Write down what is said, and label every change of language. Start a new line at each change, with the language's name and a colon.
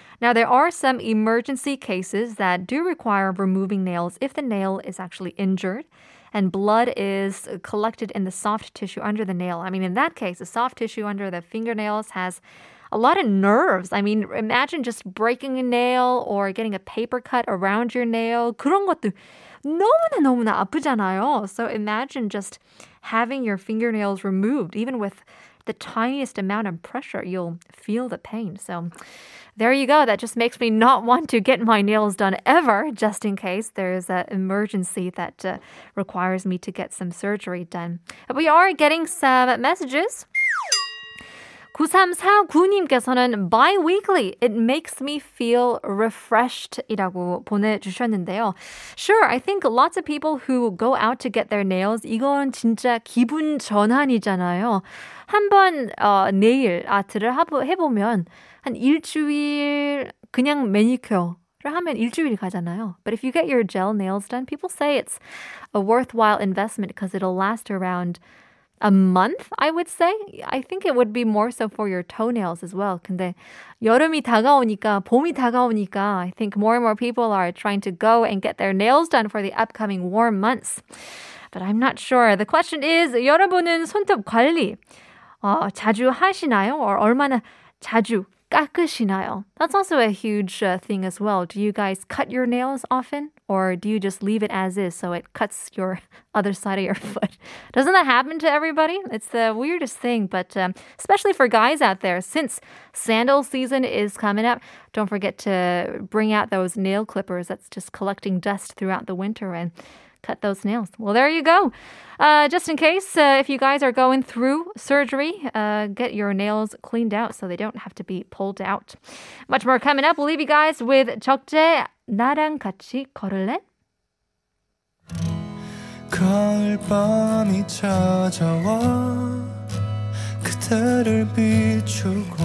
English: Now, there are some emergency cases that do require removing nails if the nail is actually injured and blood is collected in the soft tissue under the nail. I mean, in that case, the soft tissue under the fingernails has a lot of nerves. I mean, imagine just breaking a nail or getting a paper cut around your nail.
Korean: 그런 것도 너무나 너무나 아프잖아요.
English: So imagine just having your fingernails removed, even with the tiniest amount of pressure, you'll feel the pain. So there you go. That just makes me not want to get my nails done ever, just in case there's an emergency that requires me to get some surgery done. But we are getting some messages.
Korean: 9349님께서는
English: bi-weekly, it makes me feel refreshed
Korean: 이라고 보내주셨는데요.
English: Sure, I think lots of people who go out to get their nails,
Korean: 이건 진짜 기분 전환이잖아요. 한번 네일 아트를 해보면 한 일주일 그냥 매니큐어를 하면 일주일 가잖아요.
English: But if you get your gel nails done, people say it's a worthwhile investment because it'll last around a month, I would say. I think it would be more so for your toenails as well.
Korean: 근데 여름이 다가오니까, 봄이 다가오니까
English: I think more and more people are trying to go and get their nails done for the upcoming warm months. But I'm not sure. The question is,
Korean: 여러분은 손톱 관리 자주 하시나요?
English: Or
Korean: 얼마나 자주 깎으시나요?
English: That's also a huge thing as well. Do you guys cut your nails often? Or do you just leave it as is so it cuts your other side of your foot? Doesn't that happen to everybody? It's the weirdest thing, but especially for guys out there, since sandal season is coming up, don't forget to bring out those nail clippers that's just collecting dust throughout the winter and cut those nails. Well, there you go. Just in case, if you guys are going through surgery, get your nails cleaned out so they don't have to be pulled out. Much more coming up. We'll leave you guys with 적재, 나랑 같이 걸을래?
Korean: 가을 밤이 찾아와 그대를 비추고